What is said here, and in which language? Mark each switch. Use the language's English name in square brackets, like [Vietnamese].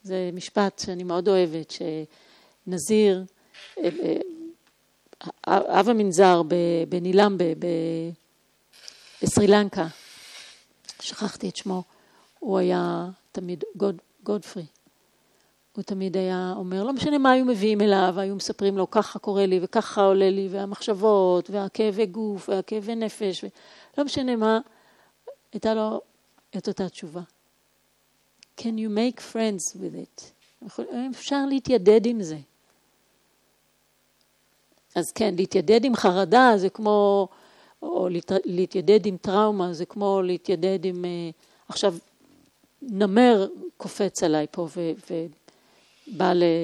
[Hebrew] זה משפט שאני מאוד אוהבת, שנזיר, אב המנזר בנילמבה, בסרילנקה, שכחתי את שמו, הוא היה תמיד, גודפרי, הוא תמיד היה אומר, לא משנה מה היו מביאים אליו, היו מספרים לו, ככה קורה לי, וככה עולה לי, והמחשבות, והכאבי גוף, והכאבי נפש, לא משנה מה, הייתה לו את אותה תשובה. [English] Can you make friends with it? [Hebrew] אפשר להתיידד עם זה. אז כן, להתיידד עם חרדה זה כמו, או להתיידד עם טראומה זה כמו להתיידד עם, עכשיו נמר קופץ עליי פה ובא ל...